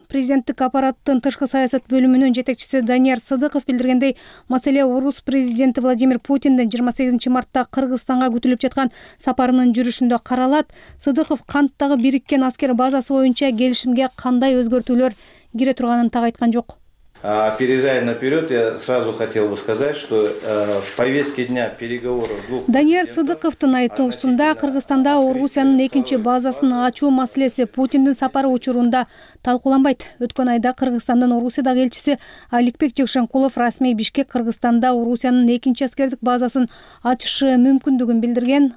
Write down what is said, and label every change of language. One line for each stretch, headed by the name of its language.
Kyrgyz: Президенттик аппараттын тышкы саясат бөлүмүнүн жетекчиси Данияр Сыдыков билдиргендей, маселе орус президенти Владимир Путиндин 28 мартта Кыргызстанга күтүлүп жаткан сапарынын жүрүшүндө каралат. Сыдыков Канттагы бириккен аскер базасы боюнча келишимге кандай өзгөртүүлөр кире турганын так айткан жок.
Russian: Переезжая наперед, я сразу хотел бы сказать, что в повестке дня переговоров двух
Kyrgyz: Даниэль Сыдыковтун айтуусунда Кыргызстанда Орусиянын экинчи базасын ачуу маселеси Путиндин сапары учурунда талкууланбайт. Өткөн айда Кыргызстандын Орусиядагы элчиси Аликбек Жыкшенкулов расмий Бишкек Кыргызстанда Орусиянын экинчи аскердик базасын ачышы мүмкүндүгүн билдирген.